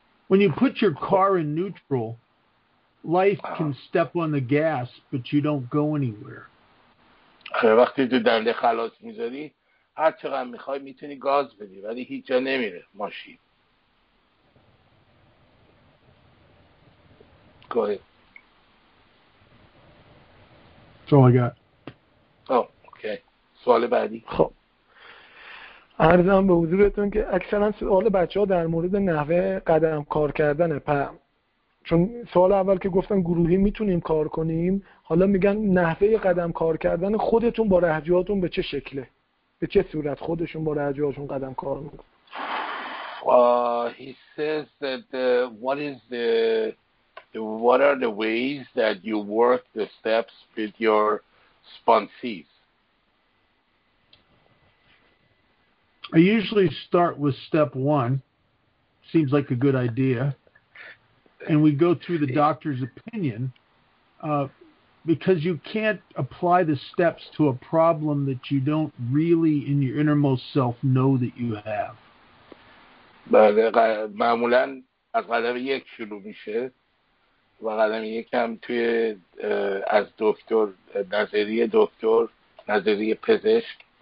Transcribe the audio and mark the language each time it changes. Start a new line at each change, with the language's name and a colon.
English: When you put your car in neutral, life can step on the gas, but you don't go anywhere.
Persian: وقتی تو دنده خلاص میذاری، هر چقدر میخوای میتونی گاز بدی، ولی هیچ جا نمیره ماشین.
English: Go ahead. That's all I got. Oh, okay.
Persian: سوال بعدی. خب. عرضم به حضورتون که اکثرا سوال بچه ها در مورد نحوه قدم کار کردن پم، چون سوال اول که گفتن گروهی میتونیم کار کنیم، حالا میگن نحوه قدم کار کردن خودتون با رهجیاتون به چه شکله، به چه صورت خودشون با رهجیاتون قدم کار میکنن.
English: He says that what is the what are the ways that you work the steps with your sponsees? I usually start with step one. Seems like a good idea. And we go through the doctor's opinion because you can't apply the steps to a problem that you don't really in your innermost self know that you have.
Persian: بله، معمولا از قدم یک شروع میشه و قدم یک هم توی از دکتر نظریه دکتر نظریه پزشک